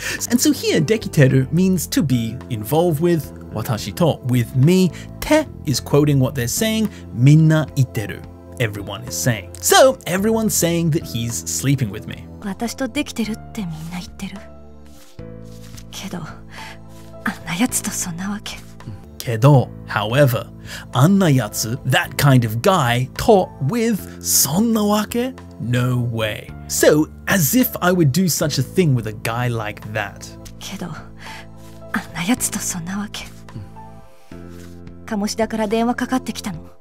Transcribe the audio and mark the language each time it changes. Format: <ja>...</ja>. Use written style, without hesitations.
<en>And so here, dekiteru means to be involved with,</en> <ja>watashi to,</ja> <en>with me, te is quoting what they're saying,</en> <ja>minna itteru,</ja> <en>everyone is saying. So, everyone's saying that he's sleeping with me.</en> <ja>Watashi to dekiteru ってみんな言ってる。けど、あんなやつとそんなわけ。</ja> <en>けど、however,</en> <ja>あんなやつ、</ja> <en>that kind of guy, to, with,</en> <ja>そんなわけ?</ja> <en>No way. So, as if I would do such a thing with a guy like that.</en> <ja>けど、あんなやつとそんなわけ。鴨志田から電話かかってきたの。</ja>